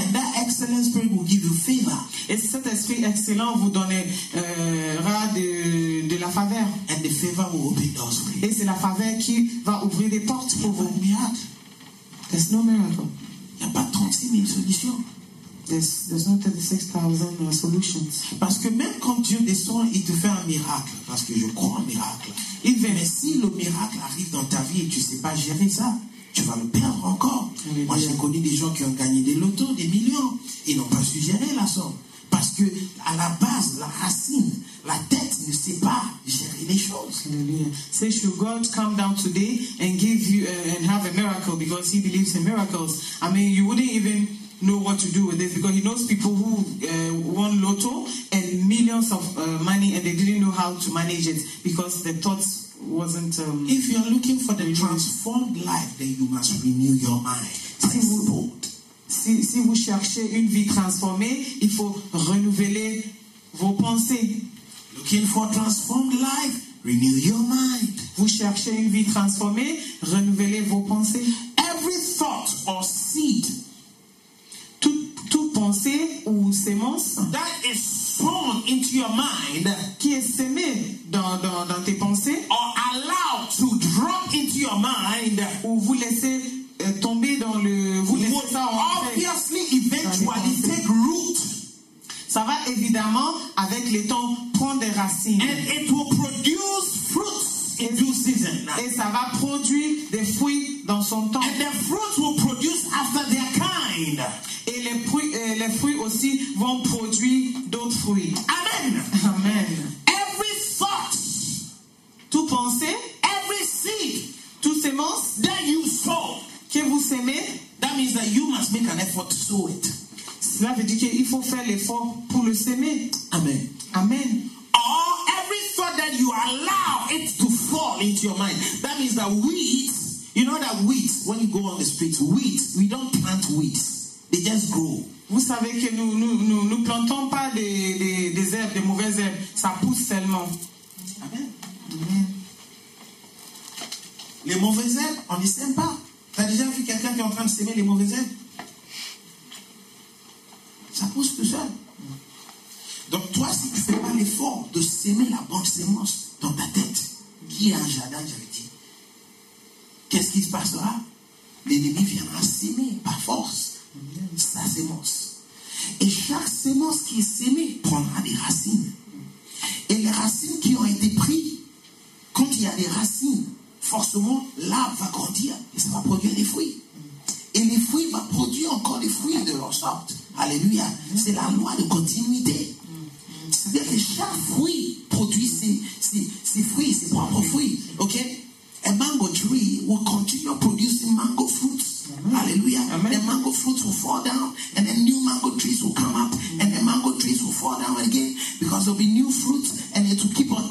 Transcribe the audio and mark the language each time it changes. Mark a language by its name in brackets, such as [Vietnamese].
[English] And that excellent spirit will give you favor. [French] Et cet esprit excellent vous donnera de la faveur. [English] And the favor will open doors for you. [French] Et c'est la faveur qui va ouvrir des portes pour vous. [English] There's no miracle. [French] Il n'y a pas 36 000 solutions. [English] There's no 36,000 solutions. [French] Parce que même quand Dieu descend, il te fait un miracle. Parce que je crois en miracle. Il vient. Mais si le miracle arrive dans ta vie et tu ne sais pas gérer ça, tu vas le perdre encore. Alléluia. Moi, j'ai connu des gens qui ont gagné des lotos, des millions. Ils n'ont pas su gérer la somme. Parce que à la base, la racine, la tête ne sait pas gérer les choses. Alléluia. [English] Say, should God come down today and give you and have a miracle because he believes in miracles. I mean, you wouldn't even know what to do with this because he knows people who won lotto and millions of money and they didn't know how to manage it because the thoughts wasn't. If you are looking for the transformed life, then you must renew your mind. [French] Si vous cherchez une vie transformée, il faut renouveler vos pensées. [English] Looking for a transformed life, renew your mind. [French] Vous cherchez une vie transformée, renouvelez vos pensées. [English] Every thought or seed, [French] toute pensée ou semence [English] that is sown into your mind, [French] qui est semée dans tes pensées, [English] or allowed to drop into your mind, [French] ou vous laissez tomber dans le, vous laissez ça en [English] obviously fait, eventually take root. [French] Ça va évidemment avec le temps prendre des racines. [English] And it will produce fruits in due season. [French] Et ça va produire des fruits dans son temps. [English] And the fruits will produce after their kind. [French] Et les fruits aussi vont produire d'autres fruits. Amen. Amen. [English] Every thought, [French] tout pensée, [English] every seed, [French] toute semence [English] that you sow, [French] que vous semez, [English] that means that you must make an effort to sow it. [French] Cela veut dire qu'il faut faire l'effort pour le semer. Amen. Amen. [English] Or every thought that you allow it to fall into your mind, that means that wheat, you know that wheat, when you go on the streets, wheat, we don't plant wheat. They just grow. [French] Vous savez que nous plantons pas des herbes, des mauvaises herbes. Ça pousse seulement. Amen. Amen. Les mauvaises herbes, on ne les sème pas. T'as déjà vu quelqu'un qui est en train de semer les mauvaises herbes? Ça pousse tout seul. Donc toi, si tu ne fais pas l'effort de semer la bonne semence dans ta tête, qui est un jardin, j'avais dit, qu'est-ce qui se passera? L'ennemi viendra semer par force sa semence. Et chaque semence qui est semée prendra des racines. Et les racines qui ont été prises, quand il y a des racines, forcément, l'arbre va grandir et ça va produire des fruits. Et les fruits vont produire encore des fruits de leur sorte. Alléluia. C'est la loi de continuité. C'est-à-dire que chaque fruit produit ses fruits, ses propres fruits. [English] OK? A mango tree will continue producing mango fruits. Alléluia. The mango fruits will fall down and then new mango trees will come up and the mango trees will fall down again because there will be new fruits and it will keep on.